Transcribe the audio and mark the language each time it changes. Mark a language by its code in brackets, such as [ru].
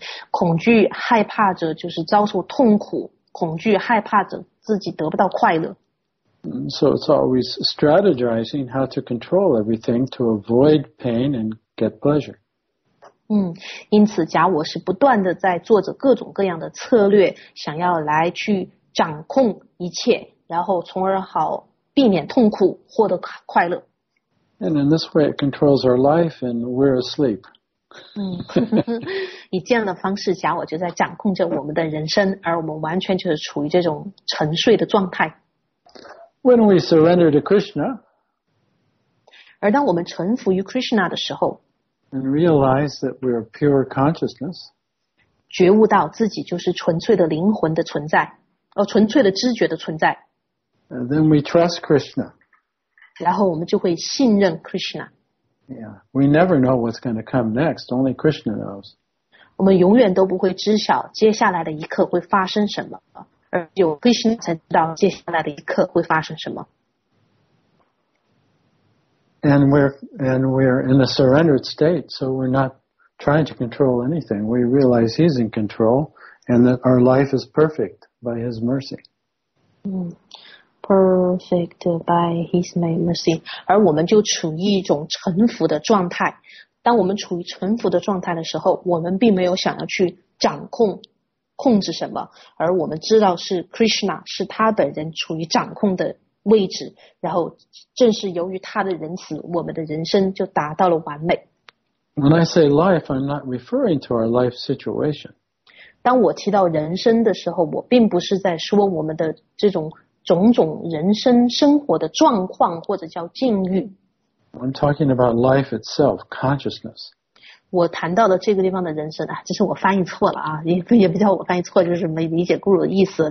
[zh] 恐惧害怕着就是遭受痛苦，恐惧害怕着自己得不到快乐。 [en] So it's always strategizing how to control everything to avoid pain and get pleasure. [zh] 因此假我是不断的在做着各种各样的策略，想要来去掌控一切。然后从而好避免痛苦，获得快乐。 [en] And in this way, it controls our life, and we're asleep. [zh] 以这样的方式，假我就在掌控着我们的人生，而我们完全就是处于这种沉睡的状态。 [en] When we surrender to Krishna, [zh] 而当我们臣服于 Krishna 的时候 [en] ，and realize that we're pure consciousness, [zh] 觉悟到自己就是纯粹的灵魂的存在，纯粹的知觉的存在。 [en] And then we trust Krishna. [zh] 然后我们就会信任 Krishna. [en] Yeah, we never know what's going to come next. Only Krishna knows. [zh] 我们永远都不会知晓接下来的一刻会发生什么，而有 Krishna 才知道接下来的一刻会发生什么。 [en] And we're in a surrendered state, so we're not trying to control anything. We realize he's in control, and that our life is perfect by his mercy. Perfect by His mercy. [zh] 而我们就处于一种臣服的状态。当我们处于臣服的状态的时候，我们并没有想要去掌控、控制什么，而我们知道是 Krishna 是他本人处于掌控的位置。然后，正是由于他的仁慈，我们的人生就达到了完美。 [en] When I say life, I'm not referring to our life situation. [zh] 当我提到人生的时候，我并不是在说我们的这种。种种人生生活的状况或者叫境遇。 [en] I'm talking about life itself, consciousness. [zh] 我谈到的这个地方的人生啊，这是我翻译错了啊，也不叫我翻译错，就是没理解 Guru 的意思。